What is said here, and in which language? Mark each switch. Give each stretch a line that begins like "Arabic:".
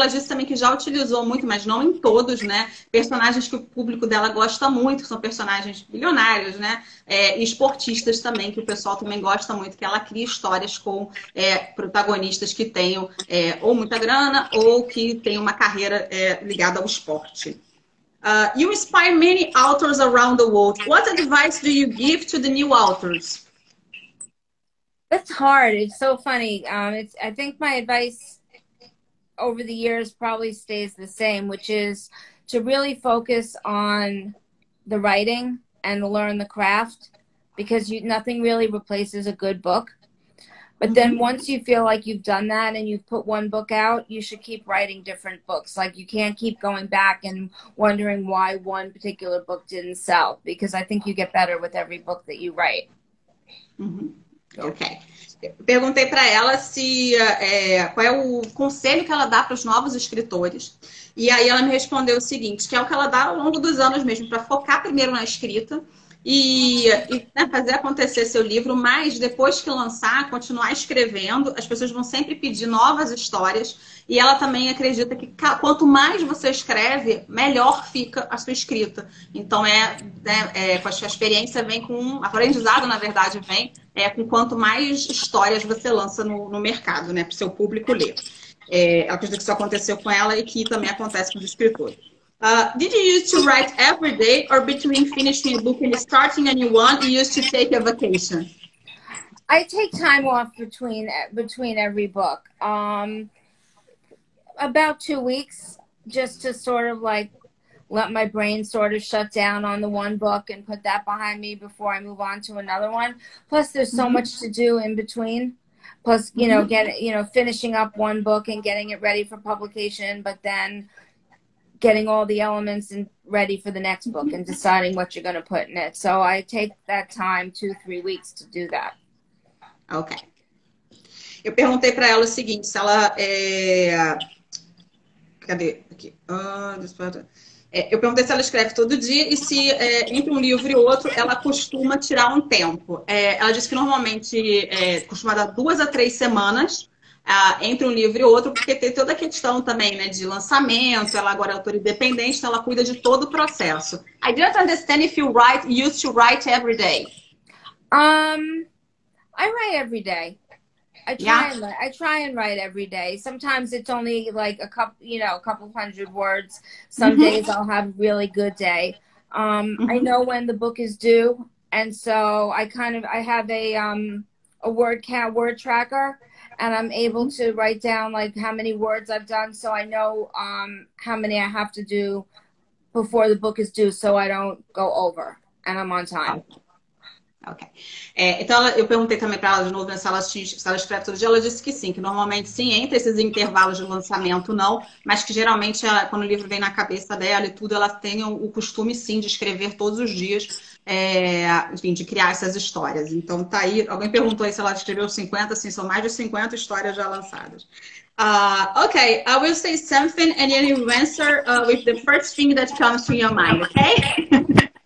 Portuguese: Ela disse também que já utilizou muito, mas não em todos, né? Personagens que o público dela gosta muito, que são personagens milionários, né? Esportistas também, que o pessoal também gosta muito, que ela cria histórias com protagonistas que tenham ou muita grana ou que tenham uma carreira ligada ao esporte.
English: You inspire many authors around the world. What advice do you give to the new authors? That's hard. It's so funny. I think my advice over the years probably stays the same, which is to really focus on the writing and learn the craft, because nothing really replaces a good book. But then once you feel like you've done that and you've put one book out, you should keep writing different books. Like, you can't keep going back and wondering why one particular book didn't sell, because I think you get better with every book that you write. Ok.
Portuguese: Perguntei para ela se qual é o conselho que ela dá para os novos escritores. E aí ela me respondeu o seguinte, que é o que ela dá ao longo dos anos mesmo, para focar primeiro na escrita e né, fazer acontecer seu livro, mas depois que lançar, continuar escrevendo, as pessoas vão sempre pedir novas histórias. E ela também acredita que quanto mais você escreve, melhor fica a sua escrita. Então, a sua experiência vem com... aprendizado, na verdade, vem com quanto mais histórias você lança no mercado, né, para o seu público ler. Ela acredita que isso aconteceu com ela e que também acontece com os escritores.
English: Did you used to write every day, or between finishing a book and starting a new one, you used to take a vacation? I take time off between every book. About 2 weeks, just to sort of like let my brain sort of shut down on the one book and put that behind me before I move on to another one. Plus, there's so much to do in between. Plus, you know, finishing up one book and getting it ready for publication, but then getting all the elements and ready for the next book and deciding what you're going to put in it. So I take that time, 2-3 weeks to do that. Okay.
Portuguese: Eu perguntei para ela o seguinte, se ela eu perguntei se ela escreve todo dia e se entre um livro e outro ela costuma tirar um tempo. Ela disse que normalmente costuma dar 2 a 3 semanas entre um livro e outro, porque tem toda a questão também, né, de lançamento. Ela agora é autora independente, então ela cuida de todo o processo.
English: I didn't understand if you write, used to write every day. I write every day. I try and write every day. Sometimes it's only like a couple hundred words. Some days I'll have a really good day. I know when the book is due, and so I have a word tracker, and I'm able to write down like how many words I've done, so I know how many I have to do before the book is due, so I don't go over and I'm on time. Ok.
Portuguese: Eu perguntei também para ela de novo, né, se ela escreve todo dia. Ela disse que sim, que normalmente sim, entre esses intervalos de lançamento, não, mas que geralmente quando o livro vem na cabeça dela e tudo, ela tem o costume sim de escrever todos os dias, enfim, de criar essas histórias. Então tá aí, alguém perguntou aí se ela escreveu 50, sim, são mais de 50 histórias já lançadas.
English: Ok, I will say something and then you answer with the first thing that comes to your mind, ok?